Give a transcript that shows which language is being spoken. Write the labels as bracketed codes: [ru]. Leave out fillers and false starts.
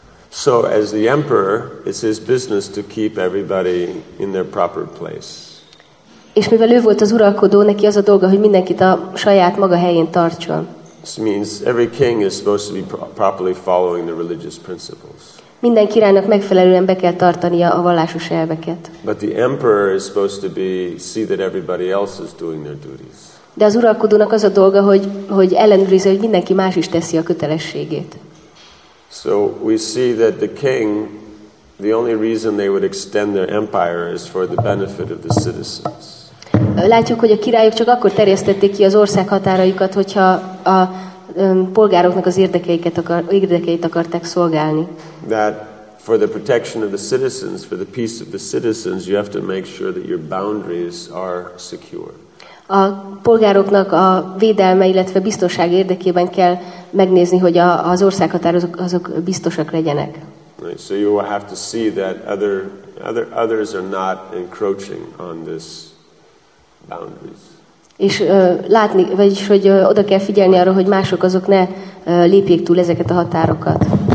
[en] So as the emperor, it's his business to keep everybody in their proper place. [hu] És mivel ő volt az uralkodó, neki az a dolga, hogy mindenkit a saját maga helyén tartson. [en] This means every king is supposed to be properly following the religious principles. [hu] Minden királynak megfelelően be kell tartania a vallásos elveket. [en] But the emperor is supposed to see that everybody else is doing their duties. [hu] De az uralkodónak az a dolga, hogy ellenőrizze, hogy mindenki más is teszi a kötelességét. [en] So we see that the king, the only reason they would extend their empire is for the benefit of the citizens. [hu] Látjuk, hogy a királyok csak akkor terjesztették ki az ország határaikat, hogyha a polgároknak az érdekeit akarták szolgálni. [en] That for the protection of the citizens, for the peace of the citizens, you have to make sure that your boundaries are secure. [hu] A polgároknak a védelme, illetve biztonság érdekében kell megnézni, hogy az országhatárok azok biztosak legyenek. [en] Right, so you will have to see that others are not encroaching on this boundaries. [hu] És látni, vagyis hogy oda kell figyelni arra, hogy mások azok ne lépjék túl ezeket a határokat.